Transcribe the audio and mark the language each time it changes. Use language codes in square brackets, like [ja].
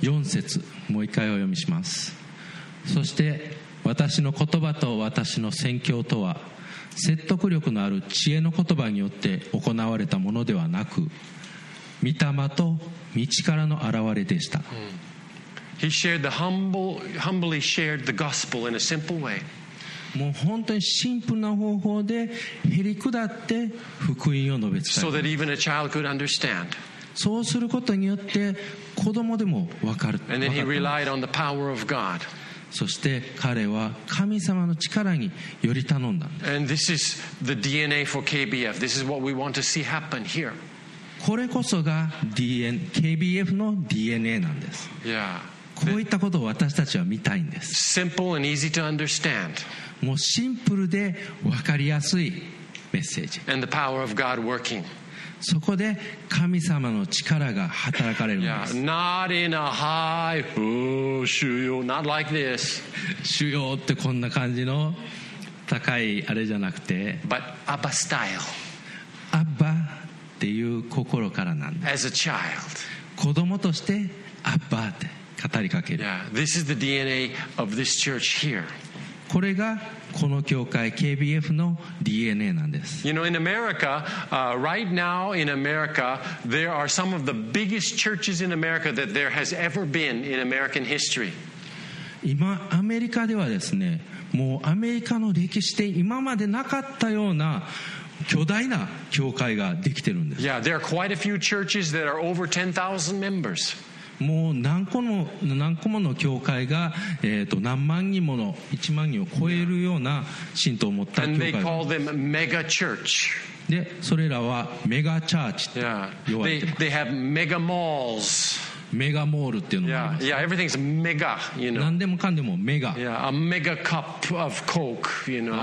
[ja] 4節もう一回お読みします。そして私の言葉と私の宣教とは説得力のある知恵の言葉によって行われたものではなく、御霊と御力の現れでした。 [en] He shared the humbly shared the gospel in a simple way. [ja] もう本当にシンプルな方法でへり下って福音を述べ伝えた。 [en] So that even a child could understand. [ja] そうすることによって子供でも分かる。 [en] And then he relied on the power of God. [ja] そして彼は神様の力により頼んだ。 [en] And this is the DNA for KBF. This is what we want to see happen here. [ja] これこそが KBF の DNA なんです。 [en] Yeah. [ja] こういったことを私たちは見たいんです。 [en] Simple and easy to understand. [ja] もうシンプルで分かりやすいメッセージ。 [en] And the power of God working. [ja] そこで神様の力が働かれるんです。 [en] yeah, Not in a high Not like this [ja] 主要ってこんな感じの高いあれじゃなくて、 [en] But Abba style [ja] Abba っていう心からなんです。 [en] As a child [ja] 子供として Abba って語りかける。 [en] yeah, This is the DNA of this church here. [ja] これがこの教会 KBF の DNA なんです。 [en] You know, in America, right now in America, there are some of the biggest churches in America that there has ever been in American history. [ja] 今アメリカではですね、もうアメリカの歴史で今までなかったような巨大な教会ができてるんです。 [en] Yeah, there are quite a few churches that are over 10,000 members. [ja] もう何個もの教会が、何万人もの1万人を超えるような信徒を持った教会。 [en] And they call them mega church. [ja] でそれらはメガチャーチって呼ばれてます。 [en] they have mega malls. [ja] メガモールっていうのもあります。 [en] yeah, everything's mega, you know. [ja] 何でもかんでもメガ。 [en] yeah, a mega cup of coke, you know.